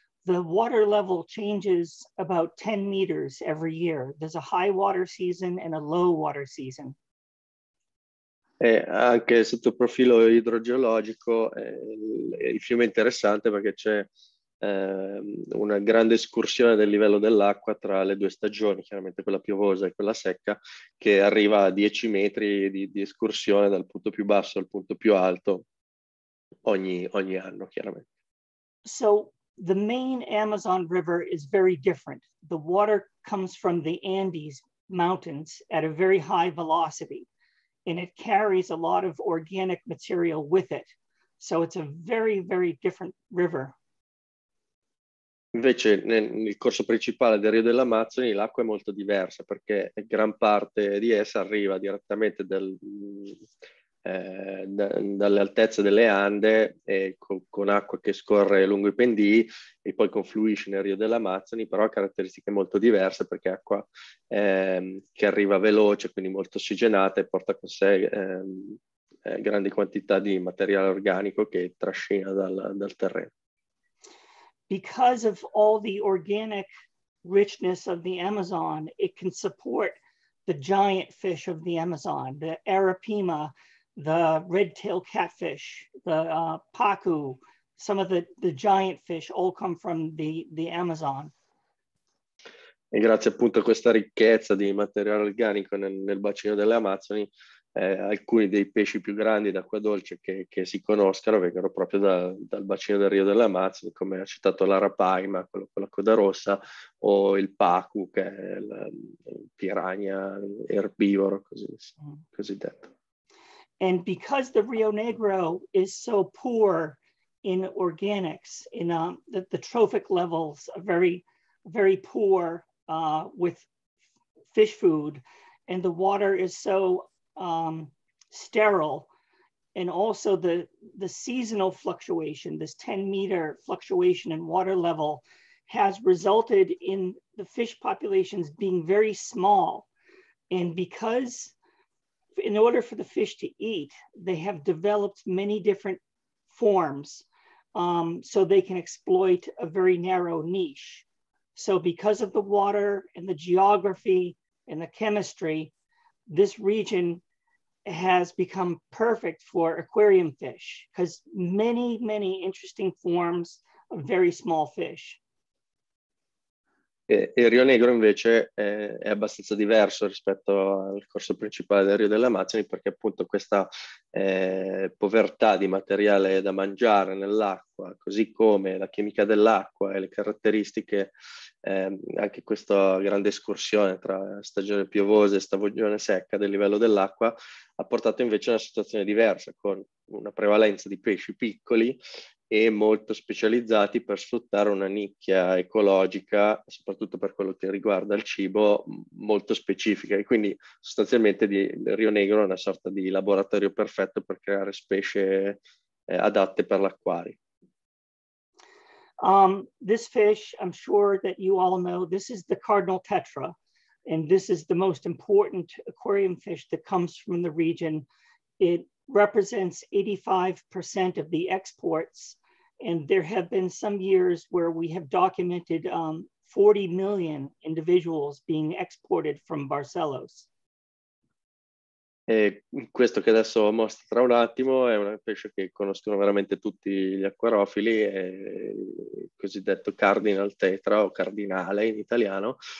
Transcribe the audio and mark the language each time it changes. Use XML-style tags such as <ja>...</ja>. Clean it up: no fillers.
<en>The water level changes about 10 meters every year. There's a high water season and a low water season.</en> <it>E anche sotto profilo idrogeologico il fiume è interessante, perché c'è una grande escursione del livello dell'acqua tra le due stagioni, chiaramente quella piovosa e quella secca, che arriva a 10 metri di escursione dal punto più basso al punto più alto, ogni anno, chiaramente.</it> <en>So the main Amazon River is very different. The water comes from the Andes mountains at a very high velocity, and it carries a lot of organic material with it. So it's a very, very different river.</en> <it>Invece nel corso principale del Rio dell'Amazzonia l'acqua è molto diversa perché gran parte di essa arriva direttamente dalle altezze delle Ande e con acqua che scorre lungo i pendii e poi confluisce nel Rio dell'Amazzonia, però ha caratteristiche molto diverse perché è acqua che arriva veloce, quindi molto ossigenata e porta con sé grandi quantità di materiale organico che trascina dal terreno.</it> <en>Because of all the organic richness of the Amazon, it can support the giant fish of the Amazon, the arapaima, the red-tailed catfish, the pacu, some of the giant fish all come from the Amazon.</en> <it>E grazie appunto a questa ricchezza di materiale organico nel bacino delle Amazzoni, alcuni dei pesci più grandi d'acqua dolce che si conoscano vengono proprio dal bacino del Rio dell'Amazzonia, come ha citato l'arapaima, quello con la coda rossa, o il pacu, che è il piranha erbivoro, così detto.</it> <en>And because the Rio Negro is so poor in organics, in the trophic levels are very, very poor with fish food, and the water is so sterile, and also the seasonal fluctuation, this 10 meter fluctuation in water level has resulted in the fish populations being very small. And because in order for the fish to eat, they have developed many different forms so they can exploit a very narrow niche. So because of the water and the geography and the chemistry, this region has become perfect for aquarium fish because many, many interesting forms of very small fish.</en> <it>E il Rio Negro invece è abbastanza diverso rispetto al corso principale del Rio dell'Amazzonia perché appunto questa povertà di materiale da mangiare nell'acqua, così come la chimica dell'acqua e le caratteristiche, anche questa grande escursione tra stagione piovosa e stagione secca del livello dell'acqua, ha portato invece a una situazione diversa con una prevalenza di pesci piccoli e molto specializzati per sfruttare una nicchia ecologica, soprattutto per quello che riguarda il cibo, molto specifica. E quindi sostanzialmente il Rio Negro è una sorta di laboratorio perfetto per creare specie adatte per l'acquario.</it> <en>This fish, I'm sure that you all know, this is the Cardinal Tetra, and this is the most important aquarium fish that comes from the region. It represents 85% of the exports, and there have been some years where we have documented 40 million individuals being exported from Barcelos.</en> <it>E questo che adesso mostro tra un attimo è un pesce che conoscono veramente tutti gli acquariofili, il cosiddetto Cardinal Tetra o Cardinale in italiano.</it>